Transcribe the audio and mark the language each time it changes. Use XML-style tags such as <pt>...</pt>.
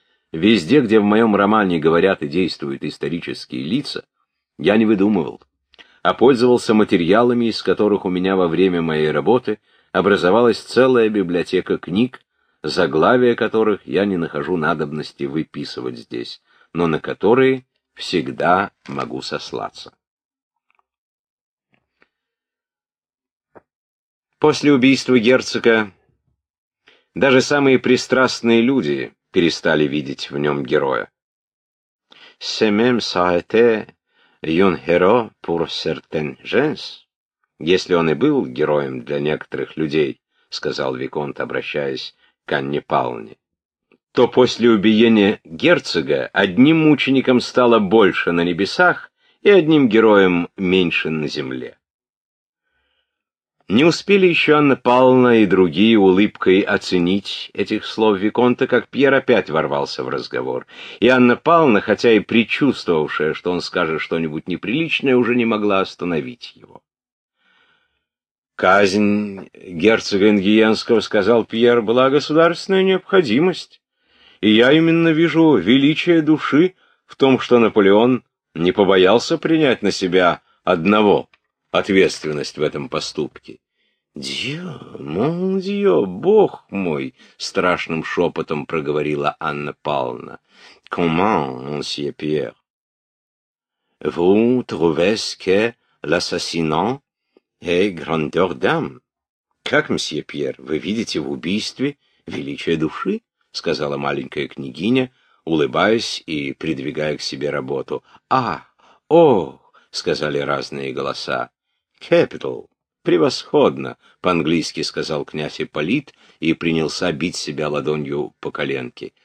<ru>Везде, где в моем романе говорят и действуют исторические лица, я не выдумывал, а пользовался материалами, из которых у меня во время моей работы образовалась целая библиотека книг, заглавия которых я не нахожу надобности выписывать здесь, но на которые всегда могу сослаться. После убийства герцога даже самые пристрастные люди перестали видеть в нем героя.</ru> <fr>«Se même ça a été un héros pour certaines gens?»</fr> <ru>«Если он и был героем для некоторых людей», — сказал виконт, обращаясь к Анне Павловне, «то после убиения герцога одним мучеником стало больше на небесах и одним героем меньше на земле». Не успели еще Анна Павловна и другие улыбкой оценить этих слов виконта, как Пьер опять ворвался в разговор. И Анна Павловна, хотя и предчувствовавшая, что он скажет что-нибудь неприличное, уже не могла остановить его. «Казнь герцога Энгиенского, — сказал Пьер, — была государственная необходимость. И я именно вижу величие души в том, что Наполеон не побоялся принять на себя одного ответственность в этом поступке». «Дьё, бог мой!» — страшным шепотом проговорила Анна Павловна.</ru> <fr>«Comment, monsieur Pierre? Vous trouvez que l'assassinat est grandeur d'âme?»</fr> <ru>«Как, мсье Пьер, вы видите в убийстве величие души?» — сказала маленькая княгиня, улыбаясь и придвигая к себе работу. «А, ох!» — сказали разные голоса.</ru> <en>«Capital!</en> <ru>Превосходно!» — по-английски сказал князь Ипполит и принялся бить себя ладонью по коленке.</ru>